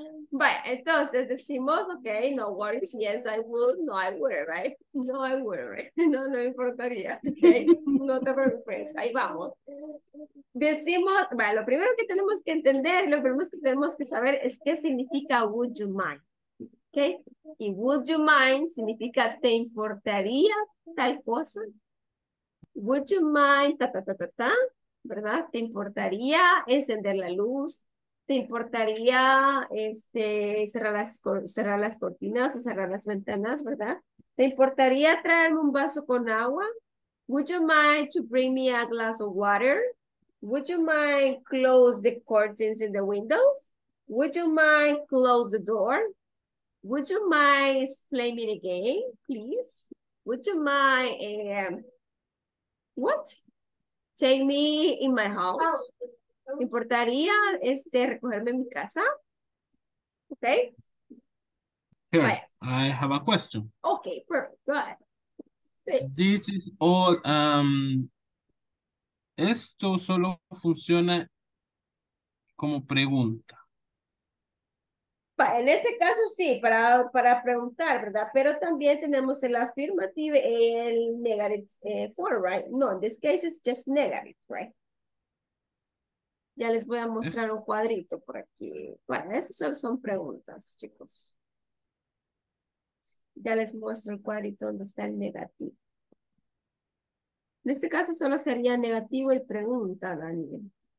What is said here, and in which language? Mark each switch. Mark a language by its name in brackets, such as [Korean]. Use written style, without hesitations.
[Spanish] Vaya, entonces decimos, [English] ok, no worries, yes, I would, no, I would, right? No, I would, right? [Spanish] No, no importaría, ok, no te preocupes, ahí vamos. Decimos, bueno, lo primero que tenemos que entender, lo primero que tenemos que saber es qué significa [English] would you mind, [Spanish] ok? Y [English] would you mind [Spanish] significa, ¿te importaría tal cosa? [English] Would you mind, [Spanish] ¿verdad? ¿Te importaría encender la luz? ¿Te importaría cerrar las cortinas o cerrar las ventanas, verdad? ¿Te importaría traerme un vaso con agua? [English] Would you mind to bring me a glass of water? Would you mind close the curtains in the windows? Would you mind close the door? Would you mind explain it again, please? Would you mind, what? Take me in my house? Oh. [Spanish] ¿Te importaría recogerme en mi casa? ¿Ok? [English] Here, I have a question. Ok, perfect. Go ahead. This is all... [Spanish] esto solo funciona como pregunta. En este caso sí, para preguntar, ¿verdad? Pero también tenemos el affirmative y el [English] negative form, right? No, in this case it's just negative, right? [Spanish] Ya les voy a mostrar un cuadrito por aquí. Bueno, esas son preguntas, chicos. Ya les muestro el cuadrito donde está el negativo. En este caso solo sería negativo y pregunta, Daniel.